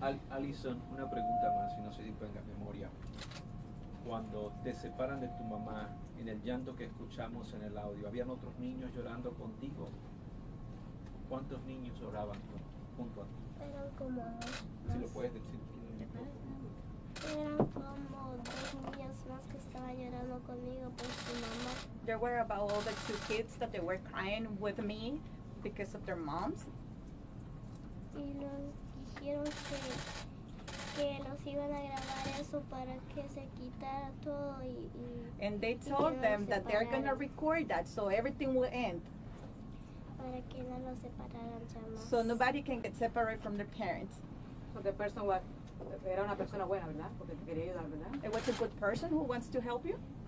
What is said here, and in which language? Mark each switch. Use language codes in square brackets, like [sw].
[es] Allison, una pregunta más, si no se disponga memoria. cuando te separan de tu mamá, en el llanto que escuchamos en el audio, ¿habían otros niños llorando contigo? ¿Cuántos niños lloraban junto a ti? Eran como dos. ¿Sí lo puedes decir? Eran como dos niños más que estaban llorando conmigo por su mamá. [en] There were about all the two kids that they were crying with me because of their moms. [es] Y nos dijeron que los iban a grabar eso para que se quitara todo y [en] and they told them that they're going to record that so everything will end. [es] Para que no los separaran ya más. [en] So nobody can get separated from their parents. So the person was, [es] era una persona buena, ¿verdad? Porque te quería ayudar, ¿verdad? [en] It was a good person who wants to help you.